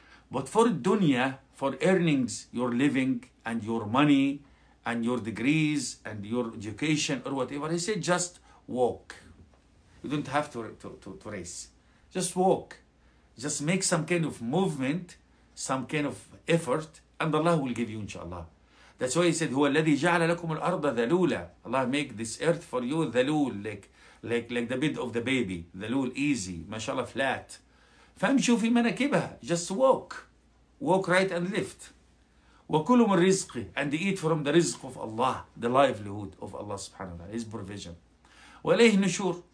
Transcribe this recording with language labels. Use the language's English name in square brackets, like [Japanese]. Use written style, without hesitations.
[English] But for dunya, for earnings, your living and your money and your degrees and your education or whatever, he said just walk. You don't have to race. Just walk. Just make some kind of movement, some kind of effort, and Allah will give you, inshallah. That's why he said, [Arabic] هو الذي جعل لكم الأرض ذلولا. [English] Allah make this earth for you ذلول, like the bed of the baby. ذلول, easy. Mashallah, flat. [Arabic] فامشوا في مناكبها. [English] Just walk. Walk right and left. [Arabic] وكلوا من رزق. [English] And eat from the rizq of Allah, the livelihood of Allah subhanahu wa ta'ala, His provision. [Arabic] وإليه النشور.